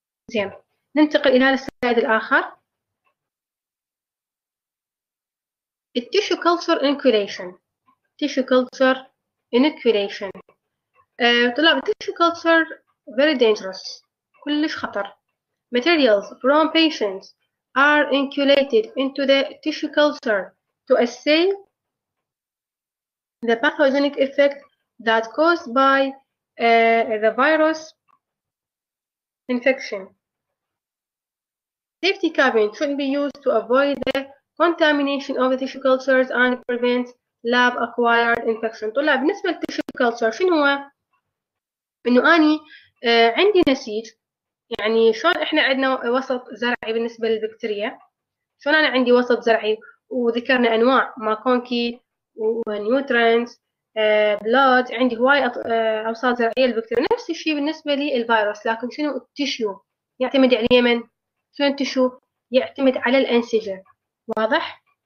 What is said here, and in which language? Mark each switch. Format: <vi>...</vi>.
<ar>زين، ننتقل إلى السلايد الآخر. التيشو كلتشر انكيوليشن، تيشو كلتشر انكيوليشن طلاب، التيشو كلتشر</ar> <en>very dangerous،</en> <ar>كلش خطر.</ar> <en>materials from patients are inoculated into the tissue culture to assay the pathogenic effect that caused by the virus infection. safety cabin shouldn't be used to avoid the contamination of the tissue cultures and prevent lab acquired infection.</en> <ar>طلع بالنسبة للتيشو كلتشر شنو هو؟ انه اني عندي نسيج، يعني شلون احنا عندنا وسط زرعي بالنسبة للبكتيريا، شلون انا عندي وسط زرعي وذكرنا انواع ماكونكي ونيوترينز بلود، عندي هواي اوساط زرعية للبكتيريا، نفس الشيء بالنسبة للفيروس، لكن شنو التشيو يعتمد عليه من؟ شنو التشيو؟ يعتمد على الانسجة، واضح؟</ar>